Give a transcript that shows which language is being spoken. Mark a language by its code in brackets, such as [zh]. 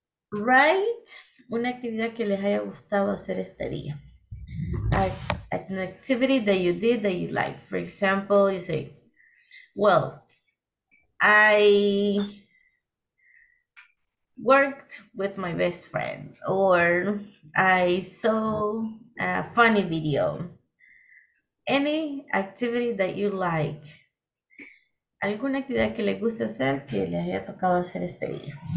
[en] Write [es] una actividad que les haya gustado hacer este día. [en] An activity that you did that you like. For example, you say, well, I worked with my best friend, or I saw a funny video. Any activity that you like. [es] Alguna actividad que le guste hacer, que le haya tocado hacer este día.